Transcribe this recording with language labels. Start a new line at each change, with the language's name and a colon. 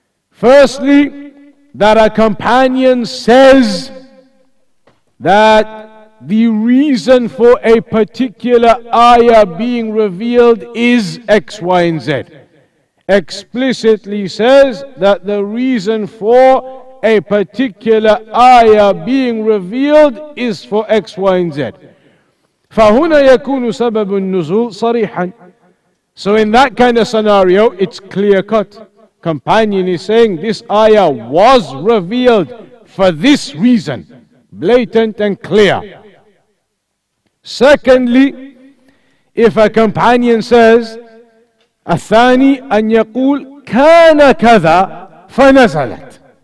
English: Firstly, that a companion says that the reason for a particular ayah being revealed is X, Y, and Z. Explicitly says that the reason for a particular ayah being revealed is for X, Y, and Z.
Arabic: فهنا يكون سبب النزول صريحا.
English: So in that kind of scenario, it's clear cut. Companion is saying this ayah was revealed for this reason. Blatant and clear. Secondly, if a companion says,
Arabic: الثاني أن يقول كان كذا فنزلت.